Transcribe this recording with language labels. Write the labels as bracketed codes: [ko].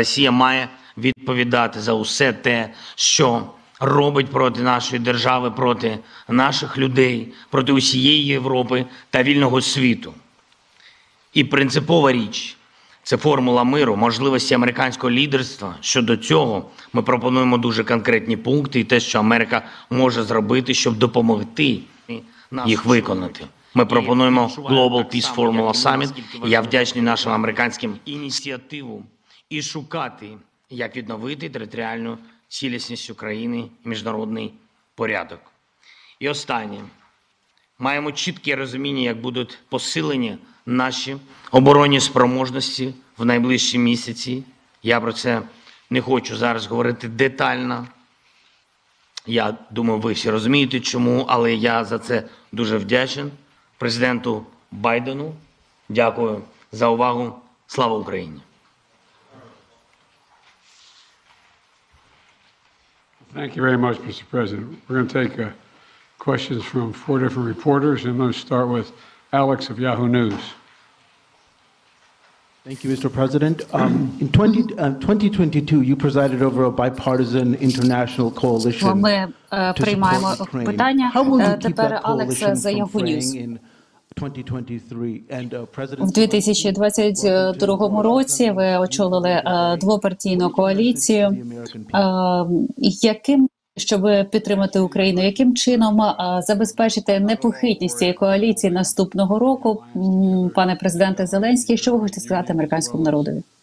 [uk] Росія має відповідати за усе те, що робить проти нашої держави, проти наших людей, проти усієї Європи та вільного світу. І принципова річ – це формула миру, можливості американського лідерства. Щодо цього ми пропонуємо дуже конкретні пункти і те, що Америка може зробити, щоб допомогти їх виконати. Ми пропонуємо Global Peace Formula Summit. Я вдячний нашим американським ініціативам і шукати, як відновити територіальну цілісність України і міжнародний порядок. І останнє. Маємо чітке розуміння, як будуть посилені наші оборонні спроможності в найближчі місяці. Я про це не хочу зараз говорити детально. Я думаю, ви всі розумієте, чому, але я за це дуже вдячний президенту Байдену. Дякую за увагу. Слава Україні! [en] Thank you very much, Mr. President. We're going to take questions from four different reporters, and let's start with Alex of Yahoo News. Thank you, Mr. President. In 2022, you presided over a bipartisan international coalition. [uk] Ми приймаємо питання. [en] How will you keep that coalition from fraying in 2023? And President, [uk] в 2022 році ви очолили двопартійну коаліцію. Яким, щоб підтримати Україну, яким чином забезпечити непохитність цієї коаліції наступного року, пане президенте Зеленський, що ви хочете сказати американському народові?